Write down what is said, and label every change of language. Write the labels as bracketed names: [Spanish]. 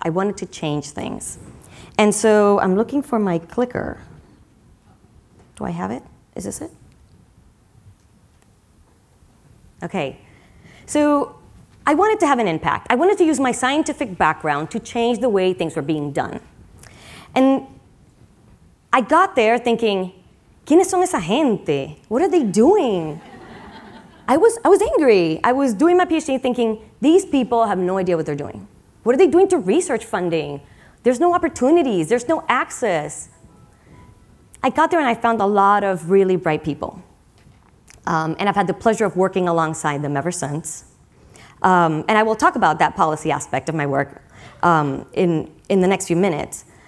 [English] I wanted to change things. And so I'm looking for my clicker. Do I have it? Is this it? Okay. So I wanted to have an impact. I wanted to use my scientific background to change the way things were being done. And I got there thinking, [Spanish] ¿quiénes son esa gente? [English] What are they doing? I was angry. I was doing my PhD thinking, these people have no idea what they're doing. What are they doing to research funding? There's no opportunities. There's no access. I got there and I found a lot of really bright people. And I've had the pleasure of working alongside them ever since. And I will talk about that policy aspect of my work in the next few minutes.